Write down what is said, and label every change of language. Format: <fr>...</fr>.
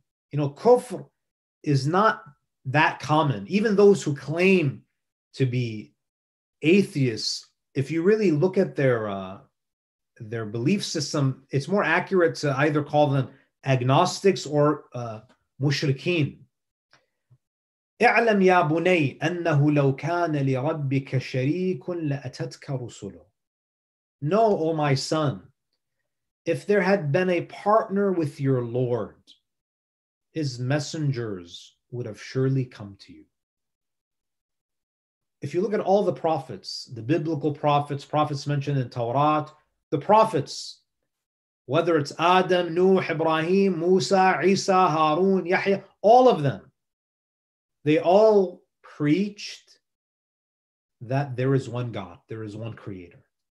<en>You know, kufr is not that common. Even those who claim to be atheists, if you really look at their belief system, it's more accurate to either call them agnostics or mushrikeen.</en> <ar>اعلم يا بني أنه لو كان لربك شريك لأتتك رسله.</ar> <en>Know, O my son, if there had been a partner with your Lord, his messengers would have surely come to you. If you look at all the prophets, the biblical prophets, prophets mentioned in Torah, the prophets, whether it's Adam, Nuh, Ibrahim, Musa, Isa, Harun, Yahya, all of them, they all preached that there is one God, there is one creator.</en>